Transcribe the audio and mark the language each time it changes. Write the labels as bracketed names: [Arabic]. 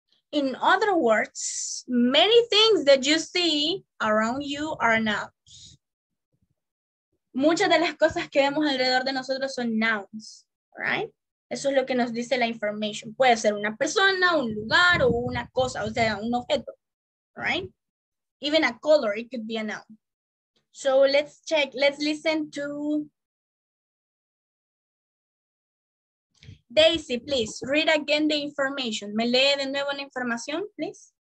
[English] In other words, many things that you see around you are nouns. [Spanish] Muchas de las cosas que vemos alrededor de nosotros son nouns, right? Eso es lo que nos dice la information. Puede ser una persona, un lugar o una cosa, o sea, un objeto, right? [English] Even a color, it could be a noun. So let's check, let's listen to Daisy, please, read again the information. [Spanish] ¿Me lee de nuevo la información, please?